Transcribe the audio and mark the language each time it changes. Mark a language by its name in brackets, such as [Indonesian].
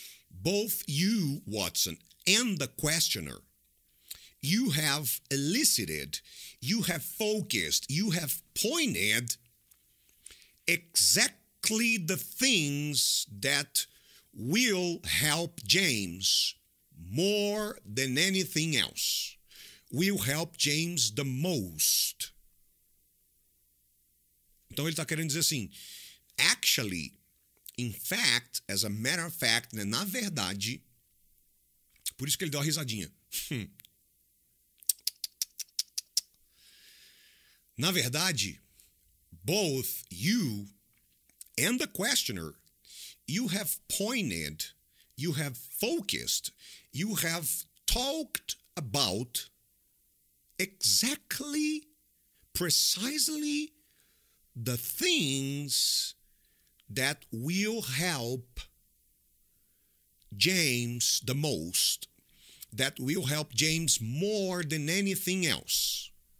[English] Both you, Watson, and the questioner, you have elicited, you have focused, you have pointed exactly the things that will help James more than anything else. Will help James the most. [Portuguese] Então ele está querendo dizer assim, [English] actually, in fact, as a matter of fact, [Portuguese] né, na verdade, por isso que ele deu uma risadinha. Na verdade, [English] both you and the questioner, you have pointed, you have focused, you have talked about exactly, precisely the things that will help James the most, that will help James more than anything else.